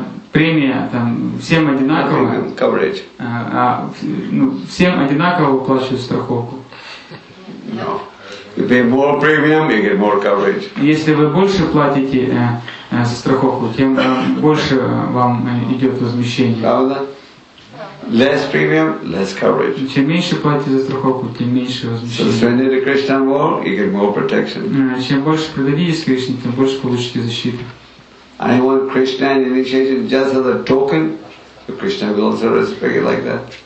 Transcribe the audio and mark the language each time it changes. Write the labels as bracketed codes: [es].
[ru] Премия там всем одинаковая. [en] Premium coverage. [ru] Всем одинаково выплачивают страховку. [en] No. You pay more premium, you get more coverage. [ru] Если вы больше платите за страховку, тем больше вам идет возмещение. [en] Правда? Less premium, less coverage. [ru] Чем меньше платите за страховку, тем меньше возмещение. [en] So surrender to Krishna more, you get more protection. [ru] Чем больше предадитесь Кришне, тем больше получите защиту. [en] I want Krishna initiation just as a token, but Krishna will also respect it like that.